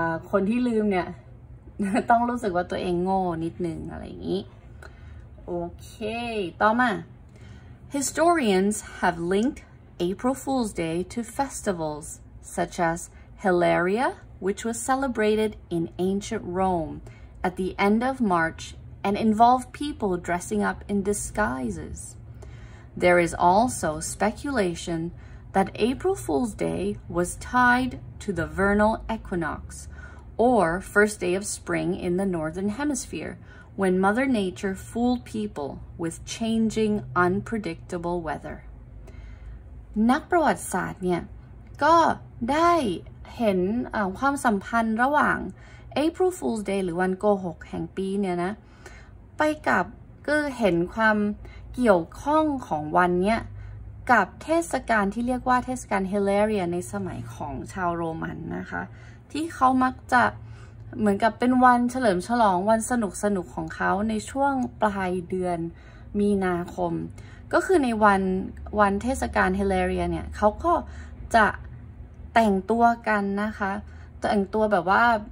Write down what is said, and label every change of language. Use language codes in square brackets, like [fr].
[th] คนที่ลืมเนี่ยต้องรู้สึกว่าตัวเองโง่นิดนึงอะไรอย่างนี้โอเคต่อมา [en] Historians have linked April Fool's Day to festivals such as Hilaria, which was celebrated in ancient Rome at the end of March and involved people dressing up in disguises. There is also speculation that April Fool's Day was tied to the vernal equinox, or first day of spring in the Northern Hemisphere,When Mother Nature fooled people with changing unpredictable weather. [th] นักประวัติศาสตร์เนี่ยก็ได้เห็นความสัมพันธ์ระหว่าง April Fool's Day หรือวันโกหกแห่งปีเนี่ยนะ ไปกับก็เห็นความเกี่ยวข้องของวันเนี้ยกับเทศกาลที่เรียกว่าเทศกาล Hilaria ในสมัยของชาวโรมันนะคะที่เขามักจะเหมือนกับเป็นวันเฉลิมฉลองวันสนุกสนุกของเขาในช่วงปลายเดือนมีนาคมก็คือในวันเทศกาลเฮเลเรียเนี่ยเขาก็จะแต่งตัวกันนะคะแต่งตัวแบบว่า